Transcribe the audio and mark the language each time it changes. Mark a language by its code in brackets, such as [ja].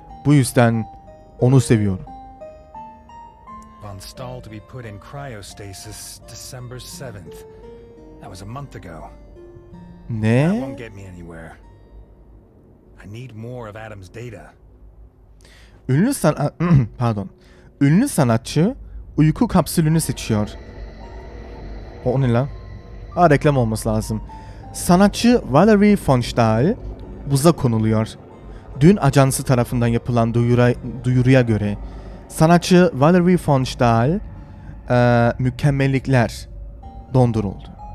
[tr] Bu yüzden onu seviyorum. [en] Von Stahl to be put in cryostasis December 7th. That was a month ago. [tr] Ne? [en] That won't get me anywhere. I need more of Adam's data. [tr] Ünlü sanat... pardon. ünlü sanatçı uyku kapsülünü seçiyor. O ne lan? Ha, reklam olması lazım. Sanatçı Valerie von Stahl buza konuluyor. Dün ajansı tarafından yapılan duyuruya göre sanatçı Valerie von Stahl mükemmellikler donduruldu.